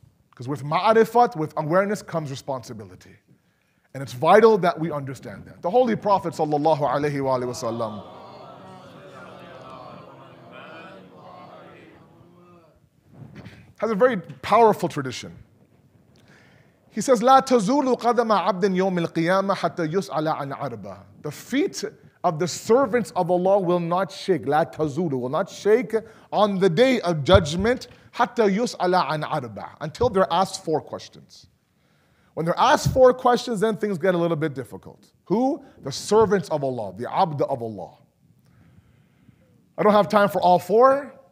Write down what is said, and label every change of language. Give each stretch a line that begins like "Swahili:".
English: Because with ma'arifat, with awareness, comes responsibility. And it's vital that we understand that. The Holy Prophet sallallahu alayhi wa alayhi wa sallam. Has a very powerful tradition. He says,
Arabic: لا تزول قدم عبد يوم القيامة حتى يسأل عن أربعة.
English: The feet of the servants of Allah will not shake,
Arabic: la tazulu,
English: will not shake on the day of judgment,
Arabic: hatta yus'ala an arba,
English: until they're asked four questions. When they're asked four questions, then things get a little bit difficult. Who? The servants of Allah, the abd of Allah. I don't have time for all four.